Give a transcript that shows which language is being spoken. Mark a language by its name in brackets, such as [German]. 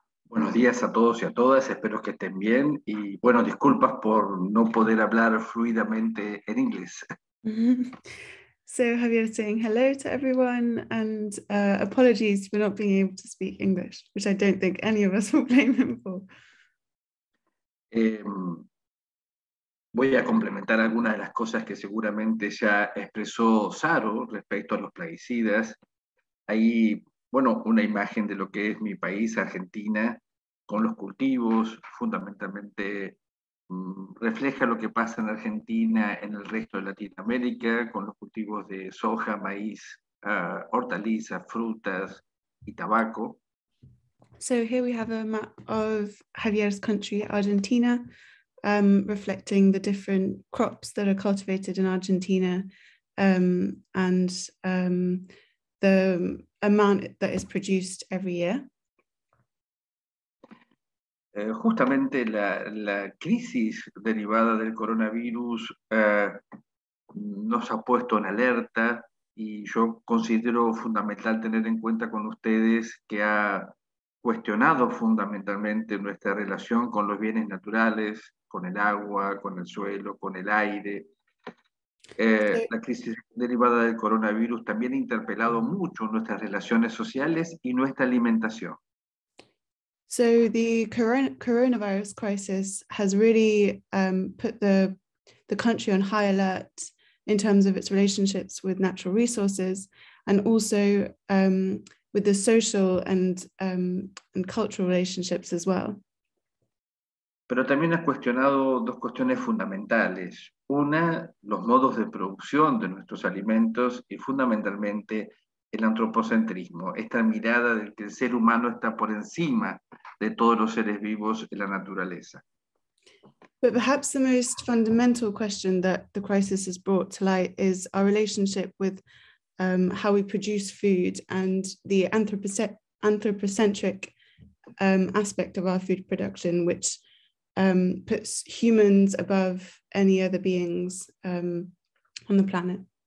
[Spanish] Buenos días a todos y a todas, espero que estén bien. Y bueno, disculpas por no poder hablar fluidamente en inglés. [English] So Javier saying hello to everyone and apologies for not being able to speak English, which I don't think any of us will blame him for. [Spanish] Voy a complementar algunas de las cosas que seguramente ya expresó Saro respecto a los plaguicidas. Ahí, bueno, una imagen de lo que es mi país, Argentina, con los cultivos, fundamentalmente refleja lo que pasa en Argentina, en el resto de Latinoamérica, con los cultivos de soja, maíz, hortalizas, frutas y tabaco. [English] So here we have a map of Javier's country, Argentina, reflecting the different crops that are cultivated in Argentina and the amount that is produced every year. [Spanish] Justamente la crisis derivada del coronavirus nos ha puesto en alerta y yo considero fundamental tener en cuenta con ustedes que ha cuestionado fundamentalmente nuestra relación con los bienes naturales, con el agua, con el suelo, con el aire. La crisis derivada del coronavirus también ha interpelado mucho nuestras relaciones sociales y nuestra alimentación. [English] So the coronavirus crisis has really put the country on high alert in terms of its relationships with natural resources and also with the social and cultural relationships as well. [Spanish] Pero también has cuestionado dos cuestiones fundamentales. Una, los modos de producción de nuestros alimentos y fundamentalmente el antropocentrismo, esta mirada de que el ser humano está por encima de todos los seres vivos en la naturaleza. [English] But perhaps the most fundamental question that the crisis has brought to light is our relationship with how we produce food and the anthropocentric aspect of our food production, which puts humans above any other beings on the planet.